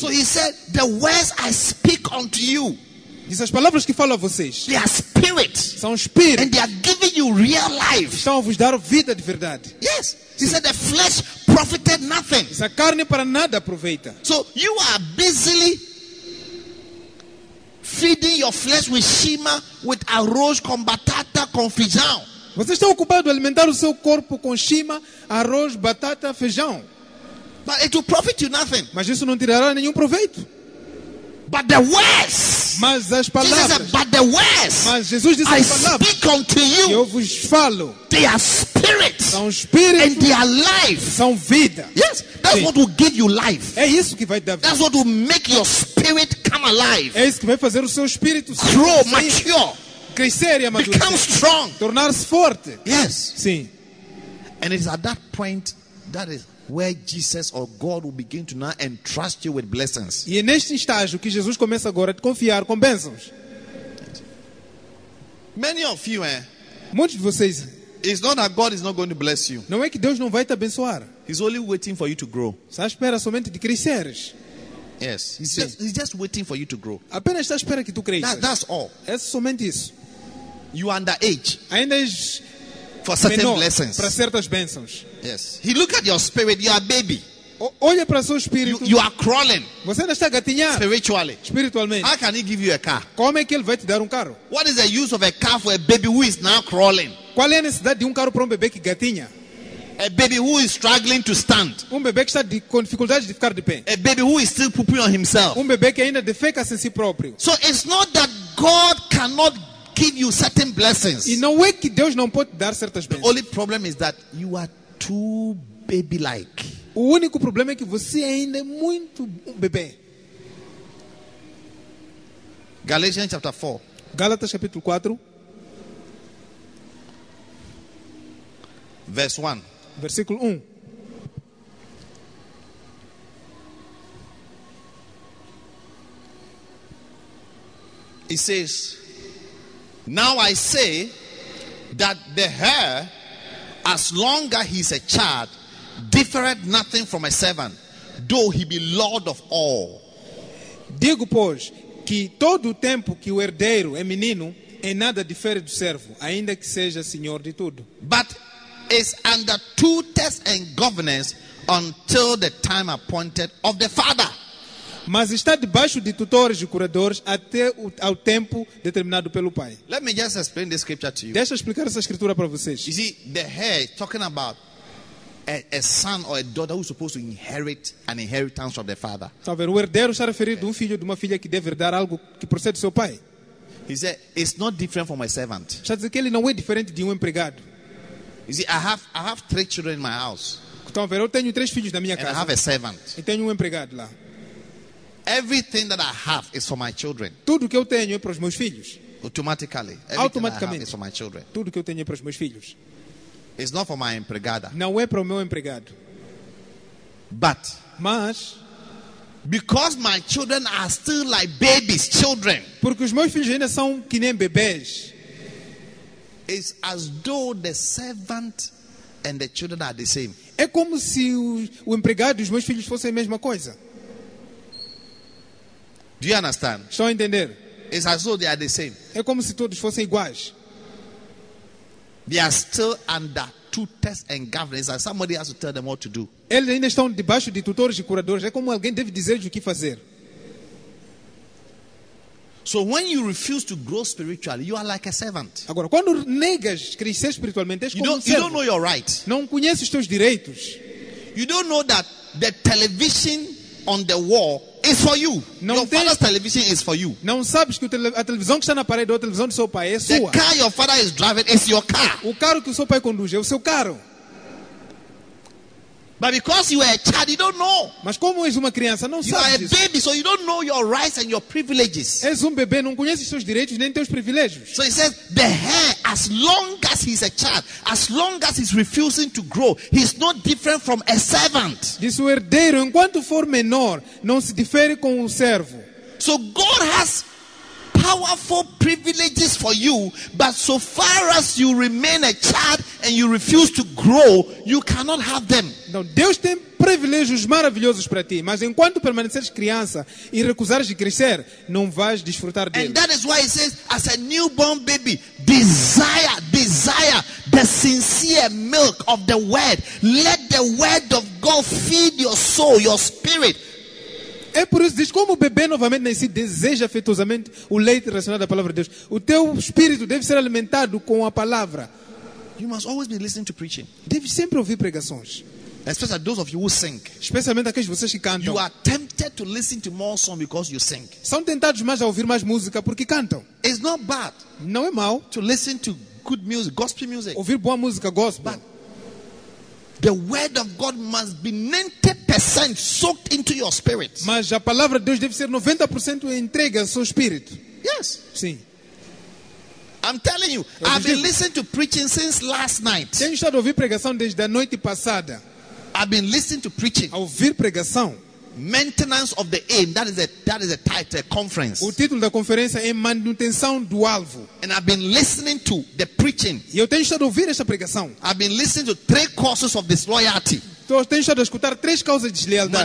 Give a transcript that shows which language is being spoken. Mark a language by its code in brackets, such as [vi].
[en] So he said, the words I speak unto you. [pt] Diz, as palavras que falo a vocês. [en] They are spirit. [pt] São espírito. [en] And they are giving you real life. [pt] Estão a vos dar vida de verdade. [en] Yes. He said, the flesh profited nothing. [pt] Diz, a carne para nada aproveita. [en] So you are busily feeding your flesh with shima, with [pt] arroz, com batata, com feijão. Você está ocupado a alimentar o seu corpo com shima, arroz, batata, feijão. [en] But it will profit you nothing. [pt] Mas isso não tirará nenhum proveito. [en] But the words. [pt] Mas as palavras. [en] Jesus said, but the words. [pt] Mas Jesus disse as palavras. [en] I speak unto you. [pt] Eu vos falo. [en] They are spirit. [pt] São espírito. [en] And they are life. [pt] São vida. [en] Yes. That's what will give you life. [pt] É isso que vai dar vida. [en] That's what will make your spirit come alive. [pt] É isso que vai fazer o seu espírito [en] grow, mature. [pt] Crescer e amadurecer. [en] Become strong. [pt] Tornar-se forte. [en] Yes. [pt] Sim. [en] And it's at that point that is where Jesus or God will begin to now entrust you with blessings. [pt] E é neste estágio que Jesus começa agora a te confiar com bênçãos. [en] Many of you, [pt] muitos de vocês, [en] it's not that God is not going to bless you. [pt] Não é que Deus não vai te abençoar. [en] He's only waiting for you to grow. [pt] Só espera somente de cresceres. [en] Yes, he's just waiting for you to grow. [pt] Apenas está esperando que tu cresças. [en] That's all. [pt] É somente isso. [en] You are under age. [pt] Ainda és [en] for certain menor, blessings. [pt] Para certas bênçãos. [en] Yes. He look at your spirit. You are baby. [pt] Olha para seu espírito. [en] You are crawling. [pt] Você ainda está gatinhando. [en] Spiritually. [pt] Espiritualmente. [en] How can he give you a car? [pt] Como é que ele vai te dar carro? [en] What is the use of a car for a baby who is now crawling? [pt] Qual é a necessidade de carro para bebê que gatinha? [en] A baby who is struggling to stand. [pt] Bebê que está com dificuldade de ficar de pé. [en] A baby who is still pooping on himself. [pt] Bebê que ainda defeca sem si próprio. [en] So it's not that God cannot give you certain blessings. [pt] E não é que Deus não pode dar certas bênçãos. [en] The only problem is that you are too baby-like. [pt] O único problema é que você ainda é muito bebê. [en] Galatians chapter 4. [pt] Gálatas capítulo 4. [en] Verse 1. [pt] Versículo 1. [en] It says, now I say that the heir, as long as he is a child, differeth nothing from a servant, though he be lord of all. [pt] Digo, pois, que todo o tempo que o herdeiro é menino, em nada difere do servo, ainda que seja senhor de tudo. [en] But is under tutest and governance until the time appointed of the father. [pt] Mas está debaixo de tutores e curadores até ao tempo determinado pelo pai. [en] Let me just explain this scripture to you. [pt] Deixa eu explicar essa escritura para vocês. [en] You see, the heir is talking about a son or a daughter who is supposed to inherit an inheritance of the father. [pt] Está vendo? O herdeiro está referindo a um filho de uma filha que deve herdar algo que procede do seu pai. [en] He said, it's not different from my servant. [pt] Está dizendo que ele não é diferente de um empregado. [en] You see, I have three children in my house. [pt] Está vendo? Eu tenho três filhos na minha casa. [en] And I have a servant. [pt] E tenho um empregado lá. [en] Everything that I have is for my children. [pt] Tudo que eu tenho é para os meus filhos. [en] Automatically. [pt] Automaticamente. [en] Is for my children. [pt] Tudo que eu tenho é para os meus filhos. [en] It's not for my empregada. [pt] Não é para o meu empregado. [en] But. [pt] Mas. [en] Because my children are still like babies, children. [pt] Porque os meus filhos ainda são que nem bebês. [en] It's as though the servant and the children are the same. [pt] É como se o empregado e os meus filhos fossem a mesma coisa. [en] Do you understand? [pt] Só entender. [en] It's as though they are the same. [pt] É como se todos fossem iguais. [en] They are still under tutors and governors. And somebody has to tell them what to do. [pt] Eles ainda estão debaixo de tutores e curadores. É como alguém deve dizer o que fazer. [en] So when you refuse to grow spiritually, you are like a servant. [pt] Agora, quando negas crescer espiritualmente, és como um servo. [en] You don't know your rights. [pt] Não conheces os teus direitos. [en] You don't know that the television on the wall is for you. [pt] Não [en] your [pt] tens, [en] father's television is for you. [pt] Não sabes que a televisão que está na parede ou a televisão do seu pai é sua. [en] The car your father is driving is your car. [pt] O carro que o seu pai conduz é o seu carro. [en] But because you are a child, you don't know. [pt] Mas como és uma criança, não sabes. [en] You are a baby, so you don't know your rights and your privileges. [pt] És um bebê, não conheces seus direitos nem teus privilégios. [en] So he says, the heir, as long as he's a child, as long as he's refusing to grow, he's not different from a servant. [pt] Diz o herdeiro, enquanto for menor, não se difere com um servo. [en] So God has powerful privileges for you, but so far as you remain a child and you refuse to grow, you cannot have them. [pt] Não, Deus tem privilégios maravilhosos para ti, mas enquanto permaneceres criança e recusares de crescer, não vais desfrutar deles. [en] And that is why it says, as a newborn baby, desire the sincere milk of the word. Let the word of God feed your soul, your spirit. [pt] É por isso que diz, como o bebê novamente nascido deseja afetuosamente o leite relacionado à palavra de Deus, o teu espírito deve ser alimentado com a palavra. [en] You must always be listening to preaching. [pt] Deve sempre ouvir pregações. [en] Especially those of you who sing. [pt] Especialmente aqueles de vocês que cantam. [en] You are tempted to listen to more song because you sing. [pt] São tentados mais a ouvir mais música porque cantam. [en] It's not bad. [pt] Não é mal. [en] To listen to good music, gospel music. [pt] Ouvir boa música, gospel. [en] But the word of God must be 90% soaked into your spirit. [pt] Mas a palavra de Deus deve ser 90% entregue ao seu espírito. [en] Yes. [pt] Sim. [en] I'm telling you, I've been listening to preaching since last night. [pt] Tenho estado a ouvir pregação desde a noite passada. [en] I've been listening to preaching. [pt] A ouvir pregação. [en] Maintenance of the aim, that is a title, a conference. [pt] O título da conferência é manutenção do alvo. [en] And I've been listening to the preaching. [pt] E eu tenho estado a ouvir essa pregação. [en] I've been listening to three causes of disloyalty. [pt] Então, tenho estado a escutar três causas de deslealdade.